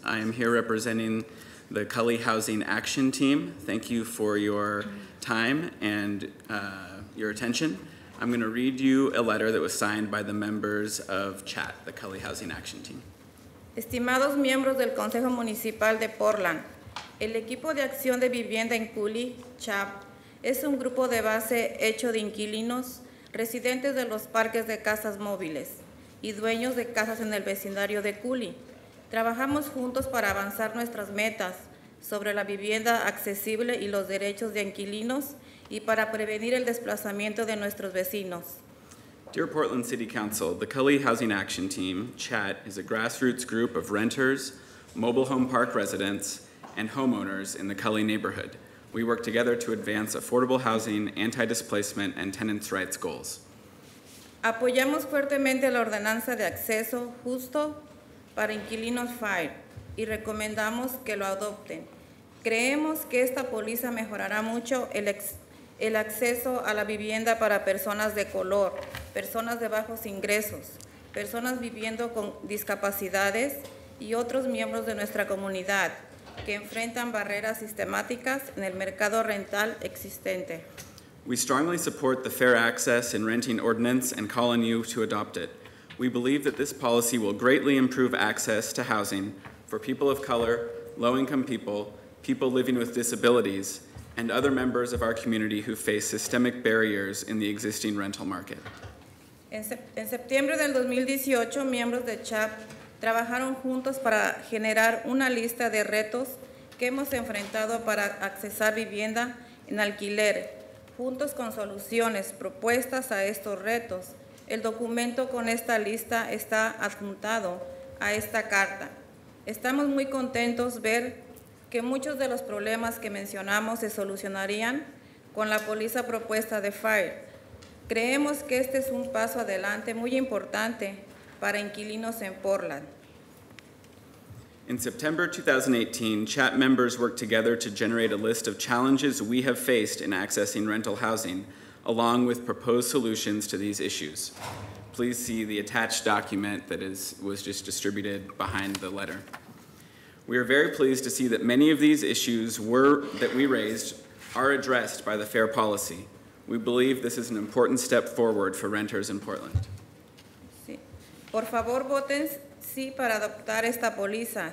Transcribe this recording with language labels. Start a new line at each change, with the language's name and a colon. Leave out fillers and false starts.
English: I am here representing the Culi Housing Action Team. Thank you for your time and your attention. I'm going to read you a letter that was signed by the members of CHAT, the Culi Housing Action Team.
Spanish: Estimados miembros del Consejo Municipal de Portland, el equipo de acción de vivienda en Culi, CHAP, es un grupo de base hecho de inquilinos, residentes de los parques de casas móviles y dueños de casas en el vecindario de Culi. Trabajamos juntos para avanzar nuestras metas sobre la vivienda accesible y los derechos de inquilinos y para prevenir el desplazamiento de nuestros vecinos.
English: Dear Portland City Council, the Culi Housing Action Team, CHAT, is a grassroots group of renters, mobile home park residents, and homeowners in the Culi neighborhood. We work together to advance affordable housing, anti-displacement, and tenants' rights goals.
Spanish: Apoyamos fuertemente la ordenanza de acceso justo para inquilinos FIRE y recomendamos que lo adopten. Creemos que esta póliza mejorará mucho el acceso a la vivienda para personas de color, personas de bajos ingresos, personas viviendo con discapacidades y otros miembros de nuestra comunidad que enfrentan barreras sistemáticas en el mercado rental existente.
English: We strongly support the Fair Access and Renting Ordinance and call on you to adopt it. We believe that this policy will greatly improve access to housing for people of color, low-income people, people living with disabilities, and other members of our community who face systemic barriers in the existing rental market.
Spanish: En septiembre del 2018, miembros de CHAP trabajaron juntos para generar una lista de retos que hemos enfrentado para accesar vivienda en alquiler, juntos con soluciones propuestas a estos retos. El documento con esta lista está adjuntado a esta carta. Estamos muy contentos ver que muchos de los problemas que mencionamos se solucionarían con la póliza propuesta de FIRE. Creemos que este es un paso adelante muy importante para inquilinos en Portland.
English: In September 2018, CHAP members worked together to generate a list of challenges we have faced in accessing rental housing, along with proposed solutions to these issues. Please see the attached document that was just distributed behind the letter. We are very pleased to see that many of these issues that we raised are addressed by the FAIR policy. We believe this is an important step forward for renters in Portland.
Spanish: Sí. Por favor, voten sí para adoptar esta póliza.